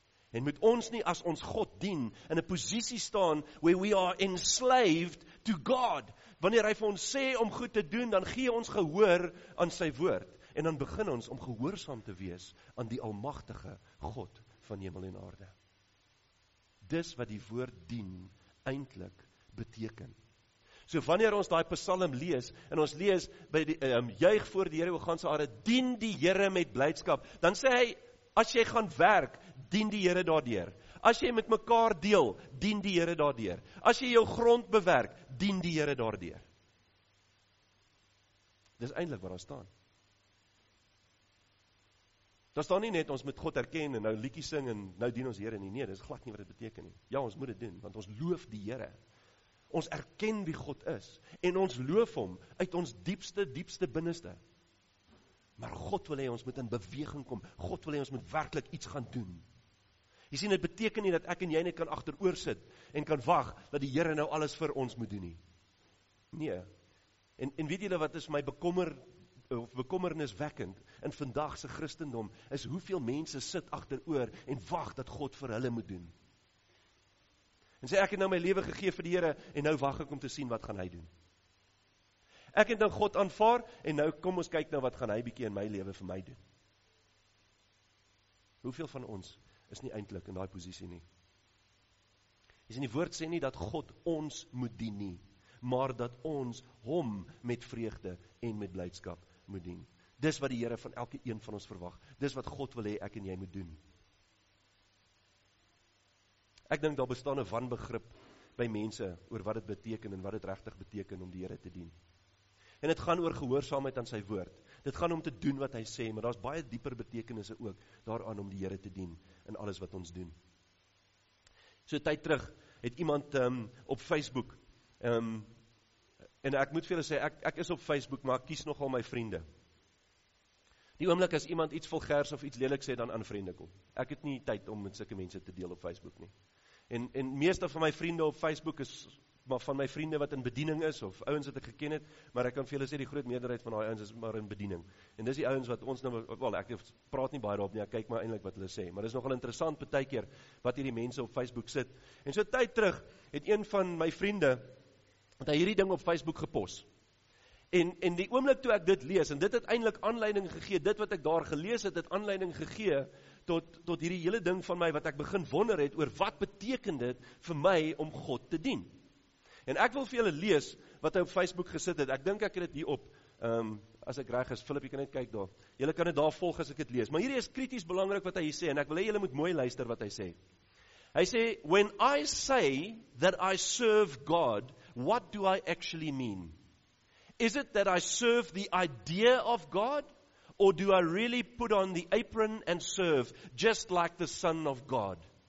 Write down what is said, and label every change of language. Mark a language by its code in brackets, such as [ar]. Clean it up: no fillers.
[af] En moet ons nie as ons God dien, in een positie staan, [en] where we are enslaved to God. [af] Wanneer hy vir ons sê om goed te doen, dan gee ons gehoor aan sy woord. En dan begin ons om gehoorsaam te wees aan die almagtige God van hemel en aarde. Dis wat die woord dien eindelijk beteken. So wanneer ons die psalm lees, en ons lees, by die, juig voor die Here, oor ganse aarde, dien die Here met blydskap, dan sê hy, as jy gaan werk, dien die Here daardeur. As jy met mekaar deel, dien die Here daardeur. As jy jou grond bewerk, dien die Here daardeur. Dis eindelijk waar ons staan. Daar staan nie net, ons moet God erken, en nou liedjie sing, en nou dien ons Here nie. Nee, dis glad nie wat dit beteken nie. Ja, ons moet dit doen, want ons loof die Here. Ons erken wie God is, en ons loof hom uit ons diepste binneste. Maar God wil hê ons moet in beweging kom. God wil hê ons moet werklik iets gaan doen. Jy sien, dit beteken nie dat ek en jy net kan agteroor sit en kan wag dat die Here nou alles vir ons moet doen nie. Nee. En weet julle wat is my bekommerniswekkend in vandagse Christendom, is hoeveel mense sit agteroor en wag dat God vir hulle moet doen. En sê, ek het nou my lewe gegee vir die Here en nou wag ek om te sien wat gaan hy doen. Ek het nou God aanvaar en nou kom ons kyk nou wat gaan hy bietjie in my lewe vir my doen. Hoeveel van ons is nie eintlik in die posisie nie. Is in die woord sê nie dat God ons moet dien nie, maar dat ons hom met vreugde en met blydskap moet dien. Dis wat die Here van elke een van ons verwag. Dis wat God wil hê ek en jy moet doen. Ek dink daar bestaan 'n wanbegrip by mense oor wat het beteken en wat het regtig beteken om die Here te dien. En het gaan oor gehoorsaamheid aan sy woord. Dit gaan om te doen wat hy sê, maar daar is baie dieper betekenisse ook daaraan om die Here te dien in alles wat ons doen. So tyd terug het iemand op Facebook, en ek moet vir julle sê, ek is op Facebook, maar ek kies nogal my vriende. Die oomblik as iemand iets vulgers of iets lelik sê, dan aan vriende kom. Ek het nie tyd om met sulke mense te deel op Facebook nie. En meeste van my vriende op Facebook is maar van my vriende wat in bediening is, of ouens wat ek geken het, maar ek kan vir julle sê, die groot meerderheid van die ouens is maar in bediening. En dis die ouens wat ons nou, wel ek praat nie baie daarop nie, ek kyk maar eintlik wat hulle sê, maar dis nogal interessant partykeer wat hierdie mense op Facebook sit. En so tyd terug het een van my vriende, het hy hierdie ding op Facebook gepos. En die oomblik toe ek dit lees, en dit het eintlik aanleiding gegee, dit wat ek daar gelees het, het aanleiding gegee, tot hierdie hele ding van my, wat ek begin wonder het, oor wat beteken dit vir my om God te dien. En ek wil vir julle lees, wat hy op Facebook gesit het, ek dink ek het hier op, as ek reg is, Philip, jy kan net kyk daar, julle kan het daar volg as ek het lees, maar hier is krities belangrik wat hy hier sê, en ek wil hy julle moet mooi luister wat hy sê. [en] Hy sê, when I say that I serve God, what do I actually mean? Is it that I serve the idea of God, or do I really put on the apron and serve just like the Son of God?